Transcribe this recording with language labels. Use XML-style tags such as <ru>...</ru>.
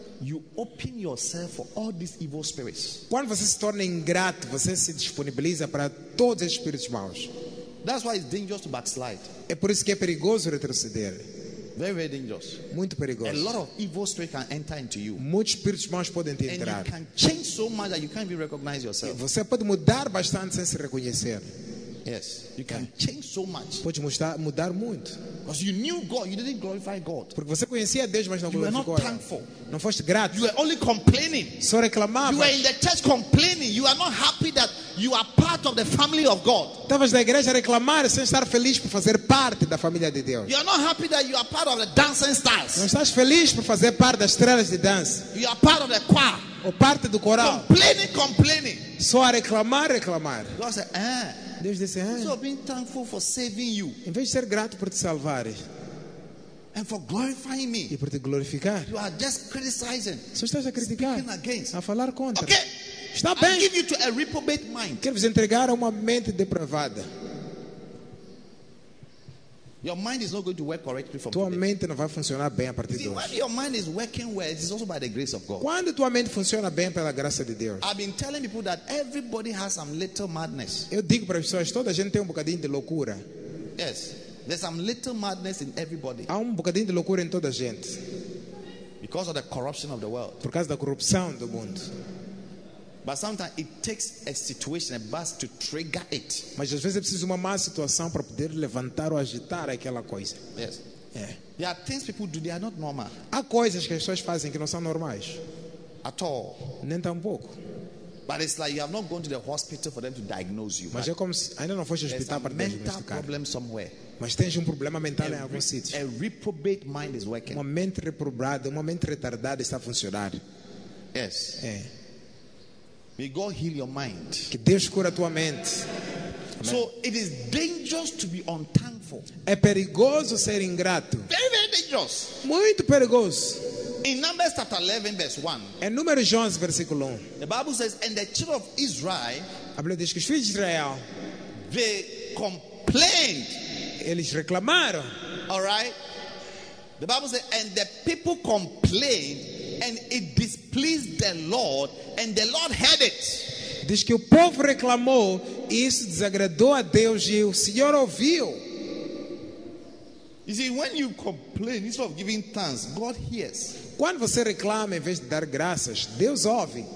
<en>you open yourself for all these evil spirits,</en> <pt>quando você se torna ingrato, você se disponibiliza para todos os espíritos maus.</pt> <en>That's why it's dangerous to backslide.</en> <pt>É por isso que é perigoso retroceder.</pt> <en>Very, very dangerous.</en> <pt>Muito perigoso.</pt> <en>A lot of evil spirits can enter into you.</en> <pt>Muitos espíritos maus podem te entrar.</pt> <en>And you can change so much that you can't even recognize yourself.</en> <pt>E você pode mudar bastante sem se reconhecer.</pt> <en>Yes, you can change so much.</en> <pt>Pode mudar muito.</pt> <en>Because you knew God, you didn't glorify God.</en> <pt>Porque você conhecia Deus, mas não glorificou.</pt> <en>You were not thankful.</en> <pt>Não foste grato.</pt> <en>You were only complaining.</en> <pt>Só reclamava.</pt> <en>You were in the church complaining. You are not happy that you are part of the family of God.</en> <pt>Estavas na igreja a reclamar sem estar feliz por fazer parte da família de Deus.</pt> <en>You are not happy that you are part of the dancing stars.</en> <pt>Não estás feliz por fazer parte das estrelas de dança.</pt> <en>You are part of the choir.</en> <pt>Ou parte do coral.</pt> <en>Complaining.</en> <pt>Só a reclamar.</pt> <en>God said,</en> <pt>Deus disse,</pt> <en>so being thankful for saving you,</en> <pt>em vez de ser grato por te salvar,</pt> <en>and for glorifying me,</en> <pt>e por te glorificar,</pt> <en>you are just criticizing,</en> <pt>só estás a criticar,</pt> <en>speaking against,</en> <pt>a falar contra.</pt> <en>Okay,</en> <pt>está bem.</pt> <en>I give you to a reprobate mind.</en> <pt>Quero vos entregar a uma mente depravada.</pt> <en>Your mind is not going to work correctly from</en> <pt>tua</pt> <en>today.</en> <pt>Mente não vai funcionar bem a partir</pt> <en>see,</en> <pt>de hoje.</pt> <en>When your mind is working well, it is also by the grace of God.</en> <pt>Quando tua mente funciona bem pela graça de Deus.</pt> <en>I've been telling people that everybody has some little madness.</en> <pt>Eu digo para as pessoas, toda a gente tem bocadinho de loucura.</pt> <en>Yes, there's some little madness in everybody.</en> <pt>Há bocadinho de loucura em toda a gente.</pt> <en>Because of the corruption of the world.</en> <pt>Por causa da corrupção do mundo.</pt> <en>But sometimes it takes a situation, a buzz, to trigger it.</en> <pt>Mas às vezes é preciso uma má situação para poder levantar ou agitar aquela coisa.</pt> <en>Yes.</en> <pt>É.</pt> <en>There are things people do, they are not normal.</en> <pt>Há coisas que as pessoas fazem que não são normais.</pt> <en>At all.</en> <pt>Nem tampouco.</pt> <en>But it's like you have not gone to the hospital for them to diagnose you.</en> <pt>Mas é como se ainda não foste ao hospital para diagnosticar.</pt> <en>There's a mental problem somewhere.</en> <pt>Mas tens problema mental em algum sítio.</pt> <en>A reprobate mind is working.</en> <pt>Uma mente reprobada, uma mente retardada está a funcionar.</pt> <en>Yes.</en> <pt>É.</pt> <en>May God heal your mind.</en> <pt>Que Deus cura a tua mente.</pt> <en>Amen. So it is dangerous to be unthankful.</en> <pt>É perigoso ser ingrato.</pt> <en>Very, very dangerous.</en> <pt>Muito perigoso.</pt> <en>In Numbers chapter 11, verse 1.</en> <pt>Em Números 11, versículo 1.</pt> <en>The Bible says, and the children of Israel,</en> <pt>a Bíblia diz que os filhos de Israel,</pt> <en>they complained.</en> <pt>Eles reclamaram.</pt> <en>All right. The Bible says, and the people complained. And it displeased the Lord, and the Lord heard it.</en> <pt>Diz que o povo reclamou, e isso desagradou a Deus, e o Senhor ouviu.</pt> <en>You see, when you complain, instead of giving thanks, God hears.</en> <pt>Quando você reclama, em vez de dar graças, Deus ouve.</pt>